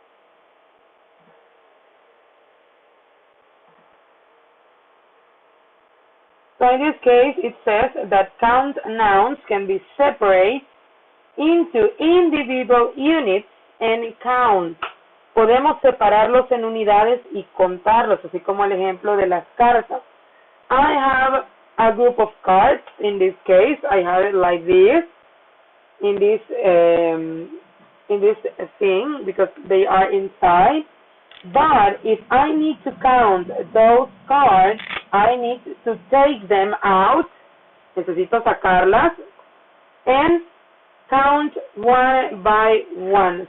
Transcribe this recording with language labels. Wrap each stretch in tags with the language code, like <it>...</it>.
<en>. So in this case, it says that count nouns can be separate into individual units and count.</en> <es>Podemos separarlos en unidades y contarlos, así como el ejemplo de las cartas.</es> <en>I have a group of cards. In this case, I have it like this, in this thing, because they are inside. But if I need to count those cards, I need to take them out,</en> <es>necesito sacarlas,</es> <en>and count one by one.</en>